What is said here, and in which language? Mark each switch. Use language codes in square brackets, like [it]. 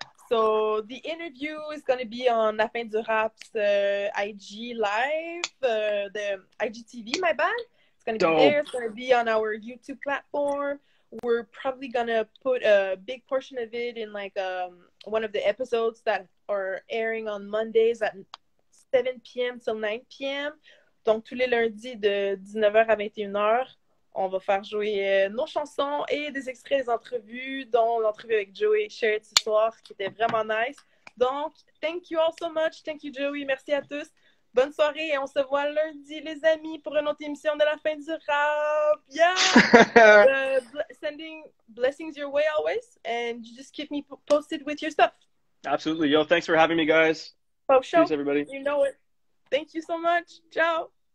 [en] So the interview is going to be on La Fin du Rap's IG Live, the IGTV, my bad. Gonna be there. It's gonna be on our YouTube platform. We're probably gonna put a big portion of it in like one of the episodes that are airing on Mondays at 7 p.m. till 9 p.m. [fr] Donc tous les lundis de 19h à 21h, on va faire jouer nos chansons et des extraits des entrevues, dont l'entrevue avec Joey Sherett ce soir, qui était vraiment nice. Donc [en] thank you all so much. Thank you Joey. [fr] Merci à tous. Bonne soirée et on se voit lundi, les amis, pour une autre émission de la fin du rap. [en] Yeah! Sending blessings your way always, and you just keep me posted with your stuff. Absolutely. Yo, thanks for having me, guys. Oh, Peace, show. everybody. You know it. Thank you so much. Ciao.